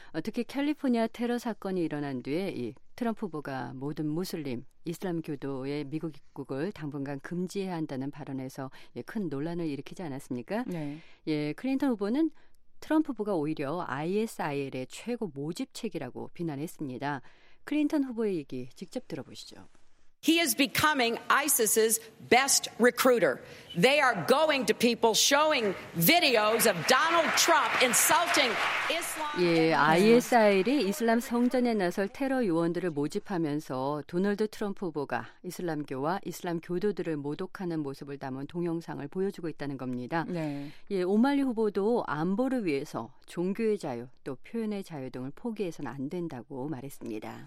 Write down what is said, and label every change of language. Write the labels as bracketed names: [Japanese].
[Korean] 특히 캘리포니아 테러 사건이 일어난 뒤에 이 트럼프 후보가 모든 무슬림, 이슬람교도의 미국 입국을 당분간 금지해야 한다는 발언에서 큰 논란을 일으키지 않았습니까? 네. 예, 클린턴 후보는 트럼프 후보가 오히려 ISIL의 최고 모집책이라고 비난했습니다. 클린턴 후보의 얘기 직접 들어보시죠. [English] He is becoming ISIS's best recruiter. They are going to people showing videos of Donald Trump insulting Islam. [Korean] 예, ISIL이 이슬람 성전에 나설 테러 요원들을 모집하면서 도널드 트럼프 후보가 이슬람교와 이슬람 교도들을 모독하는 모습을 담은 동영상을 보여주고 있다는 겁니다. 네. 예, 오말리 후보도 안보를 위해서 종교의 자유 또 표현의 자유 등을 포기해서는 안 된다고 말했습니다.